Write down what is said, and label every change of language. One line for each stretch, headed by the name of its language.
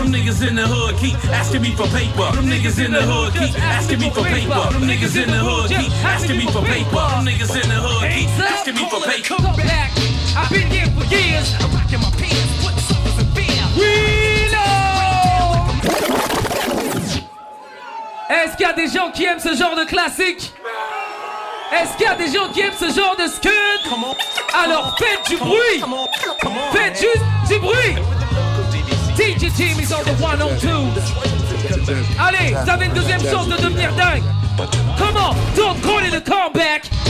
English: Them niggas in the hood keep asking me for paper. Them niggas in the hood keep asking me for paper. Them niggas in the hood keep asking me for paper. Them niggas in the hood keep asking me for paper. Come back, I've been here for years. I'm rocking my pants, put something in fear. We know.
French: Est-ce qu'il y a des gens qui aiment ce genre de classique? Est-ce qu'il y a des gens qui aiment ce genre de scud? Alors faites du bruit! Faites juste du bruit!
English: DJ Team is on the 102.
French: Allez, vous avez une deuxième chance de devenir dingue!
English: Come on, don't call it a comeback!